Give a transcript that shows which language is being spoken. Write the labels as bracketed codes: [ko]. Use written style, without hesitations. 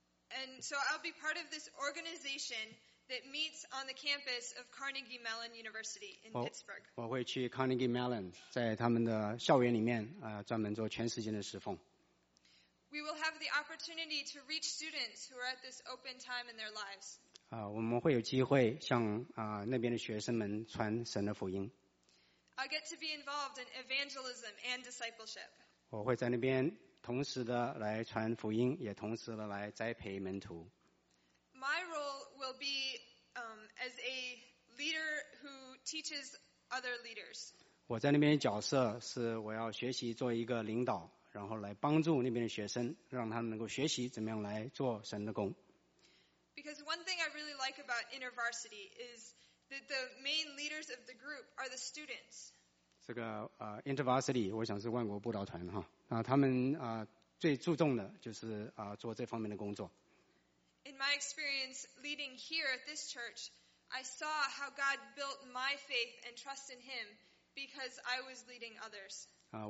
[en] And so I'll be part of this organization that meets on the campus of Carnegie Mellon University in Pittsburgh. [zh] 我会去 Carnegie Mellon， 在他们的校园里面专门做全时间的侍奉。 [en] We will have the opportunity to reach students who are at this open time in their lives. [zh] 我们会有机会向那边的学生们传神的福音。 [en] I get to be involved in evangelism and discipleship. [zh] 我会在那边同时的来传福音，也同时的来栽培门徒。 [en] My role will be as a leader who teaches other leaders. [zh] 我在那边的角色是我要学习做一个领导，然后来帮助那边的学生，让他们能够学习怎么样来做神的工。 [en] Because one thing I really like about InterVarsity is that the main leaders of the group are the students. [zh] 这个InterVarsity 我想是万国布道团哈，那他们最注重的就是做这方面的工作。 [en] In my experience leading here at this church, I saw how God built my faith and trust in Him because I was leading others.